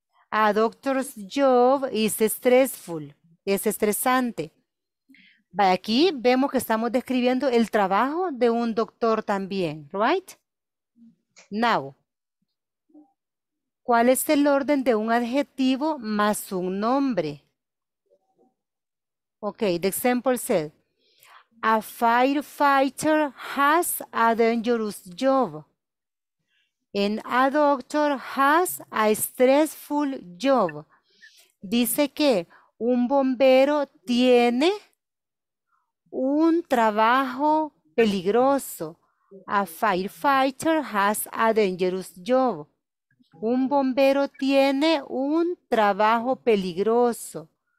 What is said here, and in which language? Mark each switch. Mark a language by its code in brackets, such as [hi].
[en] A doctor's job is stressful. [es] Es estresante. Aquí vemos que estamos describiendo el trabajo de un doctor también, right? [en] Now, [es] ¿cuál es el orden de un adjetivo más un nombre? [en] Okay, the example said, a firefighter has a dangerous job and a doctor has a stressful job. [es] Dice que un bombero tiene un trabajo peligroso. [en] A firefighter has a dangerous job. [es] Un bombero tiene un trabajo peligroso.